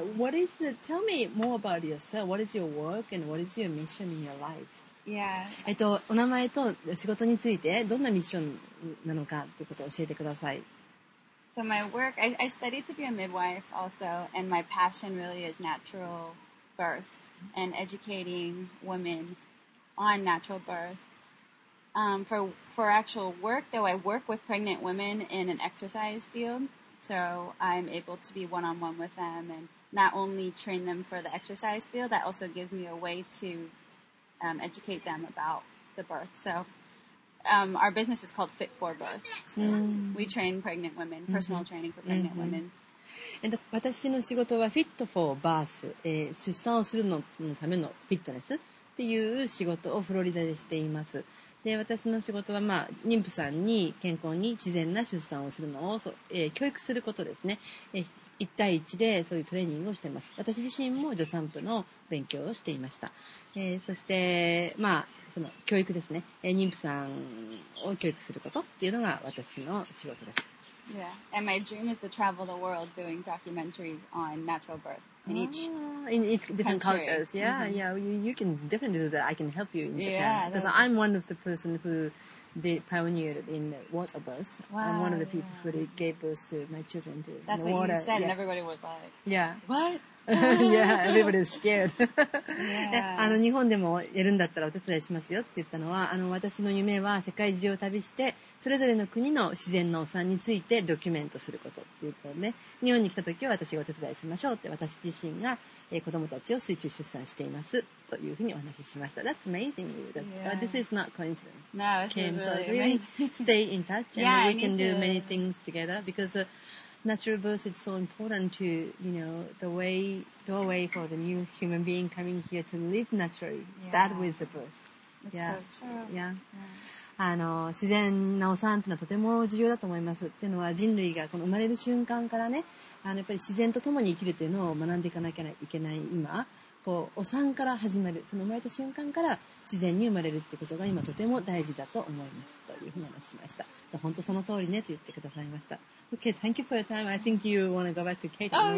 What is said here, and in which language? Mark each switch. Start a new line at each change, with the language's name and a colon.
English: and what is the, tell me more about yourself. What is your work and what is your mission in your life? Yeah.
Japanese: お名前と仕事についてどんなミッションなのかということを教えてください。
English: So my work, I studied to be a midwife also, and my passion really is natural birth and educating women on natural birth. For actual work though, I work with pregnant women in an exercise field, so I'm able to be one-on-one with them and not only train them for the exercise field, that also gives me a way toeducate them about the birth. So, our business is called Fit for Birth. So, we train pregnant women, personal training for pregnant women.
Japanese: And 私の仕事は Fit for Birth、出産をするののためのフィットネスっていう仕事をフロリダでしています。で、私の仕事は、まあ、妊婦さんに健康に自然な出産をするのを、教育することですね。一対一でそういうトレーニングをしています。私自身も助産婦の勉強をしていました。そして、まあ、その教育ですね。妊婦さんを教育することっていうのが私の仕事です。
English: Yeah. And my dream is to travel the world doing documentaries on natural birth in each different country. Cultures. Yeah,、 mm-hmm. yeah. You can definitely do that. I can help you in Japan. Because I'm one of the person who did pioneered in the water birth. Wow. I'm one of the、 yeah. people who gave birth to my children to the water. That's what you said、yeah. and everybody was like, yeah. What? yeah, everybody is scared. Yeah.
Japanese: あの日本でもやるんだったらお手伝いしますよって言ったのは、あの私の夢は世界中を旅してそれぞれの国の自然のお産についてドキュメントすることっていうことで、ね、日本に来た時は私がお手伝いしましょうって私自身が、子供たちを水中出産していますというふうにお話ししました。
English: That's amazing. That's,、 yeah. This is not coincidence. No, it's really so amazing. Really stay in touch and yeah, we can do to... many things together because. Natural birth is so important to, you know, the way, doorway for the new human being coming here to live naturally. Yeah. Start with the birth. That's、yeah. so true. Yeah.
Japanese: yeah. あの、自然なお産というのはとても重要だと思います。というのは人類がこの生まれる瞬間からね、あの、やっぱり自然と共に生きるというのを学んでいかなきゃいけない今、こう、お産から始まる、その生まれた瞬間から自然に生まれるということが今とても大事だと思います。というふうに話しました。本当その通りねと言ってくださいました。
English: Okay, thank you for your time. I think you want to go back to Keitan, right?